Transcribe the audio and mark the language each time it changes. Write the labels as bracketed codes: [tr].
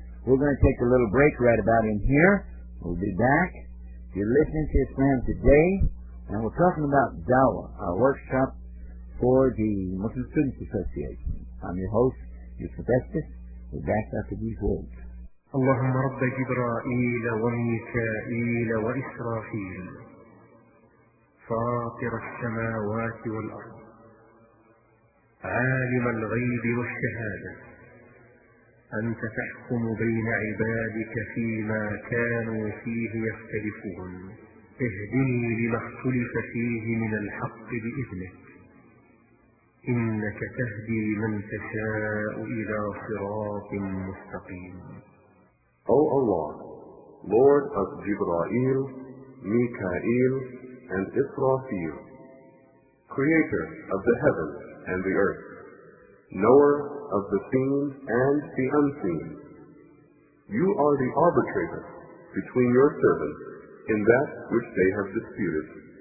[en] We're going to take a little break right about in here. We'll be back. If you're listening to Islam Today, and we're talking about Dawah, our workshop for the Muslim Students Association. I'm your host, Yusuf Estes. We're back after these words. [ar] اللهم رب جبرائيل وميكائيل وإسرافيل فاطر السماوات والأرض عالم الغيب والشهادة أنت تحكم بين عبادك فيما كانوا فيه يختلفون، اهدني لما اختلف فيه من الحق بإذنك، إنك تهدي من تشاء إلى صراط مستقيم. [en] O Allah, Lord of Jibrail, Mikael, and Israfil, Creator of the heavens and the earth, Knower of the seen and the unseen, you are the arbitrator between your servants in that which they have disputed.